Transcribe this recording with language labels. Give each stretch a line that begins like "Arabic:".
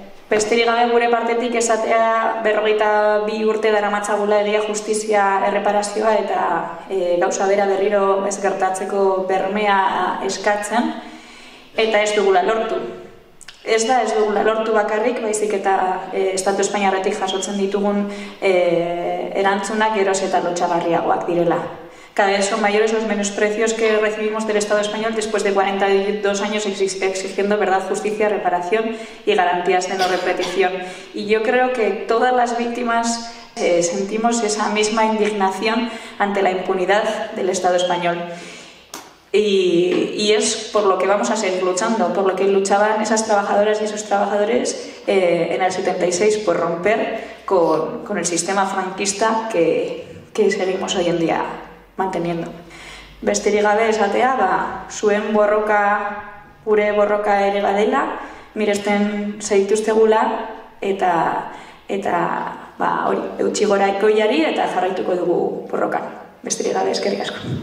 Basque: Besterik gabe gure partetik esatea 42 urte daramatzagula egia, justizia, erreparazioa eta gauza bera berriro ez gertatzeko bermea eskatzen eta ez dugula lortu. Ez dugula lortu bakarrik, baizik eta Estatu Espainiarretik jasotzen ditugun erantzunak eroz eta lotxagarriagoak direla.
Spanish: Cada vez son mayores los menosprecios que recibimos del Estado español después de 42 años exigiendo verdad, justicia, reparación y garantías de no repetición. Y yo creo que todas las víctimas sentimos esa misma indignación ante la impunidad del Estado español. Y es por lo que vamos a seguir luchando, por lo que luchaban esas trabajadoras y esos trabajadores en el 76 por romper con el sistema franquista que seguimos hoy en día manteniendo.
Basque: Besterik gabe esatea, ba, zuen borroka, gure borroka ere badela, miresten zaituztegula, eta ba, hori, eutxi gora ekoiari eta jarraituko dugu borrokan. Besterik gabe, eskerrik asko.